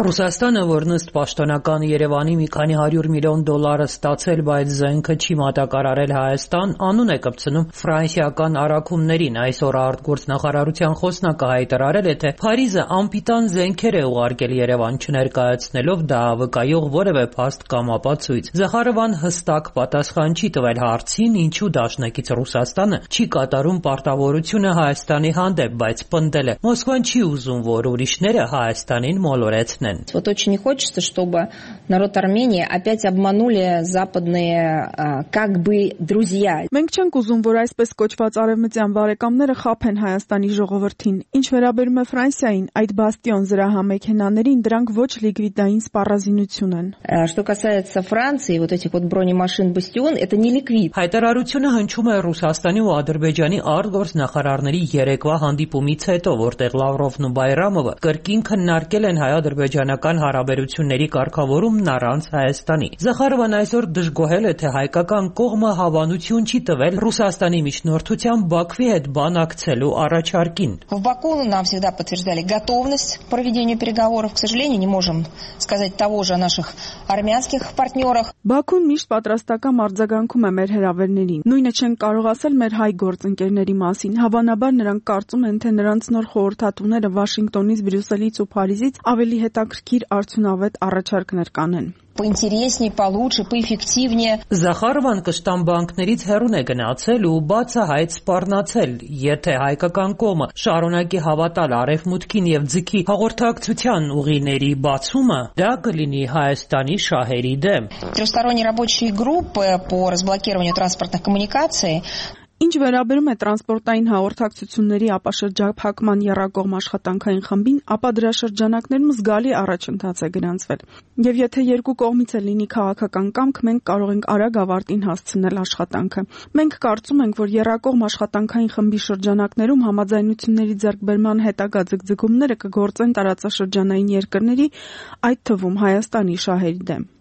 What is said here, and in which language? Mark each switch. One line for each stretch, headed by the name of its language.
Armenian: Ռուսաստանը, որն ըստ պաշտոնական Երևանի մի քանի 100 միլիոն դոլարը ստացել, բայց զենքը չի մատակարարել Հայաստան, անուն է կպցնում ֆրանսիական առաքումներին, այսօր արտգործնախարարության խոսնակը հայտարարել է, թե Փարիզը անպիտան զենքեր է ուղարկել Երևան, չներկայացնելով դա վկայող որևէ փաստ կամ ապացույց։ Զախարովան հստակ պատասխան չի տվել հարցին, ինչու դաշնակից Ռուսաստանը չի կատարում պարտավորությունը Հայաստանի հանդեպ, բայց պնդել է Մոսկվան չի ուզում, որ ուրիշները Հայաստանին մոլորեցնեն։
Russian: Вот очень не хочется, чтобы народ Армении опять обманули западные как бы друзья.
Armenian: Մենք չենք ուզում, որ այսպես կոչված արևմտյան բարեկամները խափեն Հայաստանի ժողովրդին։ Ինչ վերաբերում է Ֆրանսիային, այդ բաստիոն զրահամեքենաներին դրանք ոչ լիկվիդային սպառազինություն են։
Russian: Что касается Франции, вот этих вот бронемашин Бастион, это не ликвид.
Armenian: Հայտարարությունը հնչում է Ռուսաստանի ու Ադրբեջանի արտգործնախարարների երեկվա հանդիպումից հետո, որտեղ Լավրովն ու Բայրամ Արամովը կրկին քննարկել են հայ-ադրբեջանական հարաբերությունների կարգավորումն առանց Հայաստանի։ Զախարովան այսօր դժգոհել է, թե հայկական կողմը հավանություն չի տվել Ռուսաստանի միջնորդության Բաքվի հետ բանակցելու առաջարկին։
Russian: В Баку нам всегда подтверждали готовность к проведению переговоров, к сожалению, не можем сказать того же о наших армянских партнёрах.
Armenian: Բաքուն միշտ պատրաստական արձագանքում է մեր հրավերներին։ Նույնը չեն կարող ասել մեր հայ գործընկերների մասին։ Հավանաբար նրանք կարծում են, թե նրանց նոր խորհրդատուները Վաշինգտոնից, Բրյուսելից ու Փարիզից ավելի հետաքրքիր արդյունավետ առաջարկներ կանեն։
Russian: Поинтереснее, получше, поэффективнее.
Armenian: Захарван Кштамбанкнерից հեռուն է գնացել ու բացահայտ սպառնացել, եթե հայկական կողմը շարունակի հավատալ արևմուտքին եւ ձգի հաղորդակցության ուղիների բացումը, դա կլինի Հայաստանի շահերի դեմ։
Russian: Трёхсторонние рабочие группы по разблокированию транспортных коммуникаций.
Armenian: Ինչ վերաբերում է տրանսպորտային հաղորդակցությունների ապաշրջափակման եռագողմ աշխատանքային խմբին, ապա դրա շրջանակներում զգալի առաջընթաց է գրանցվել։ Եվ եթե երկու կողմից է լինի քաղաքական կամք, մենք կարող ենք արագ ավարտին հասցնել աշխատանքը։ Մենք կարծում ենք, որ եռագողմ աշխատանքային խմբի շրջանակներում համաձայնությունների ձեռքբերման հետագա ձգձգումները կգործեն տարածաշրջանային երկրների, այդ թվում Հայաստանի շահերի դեմ։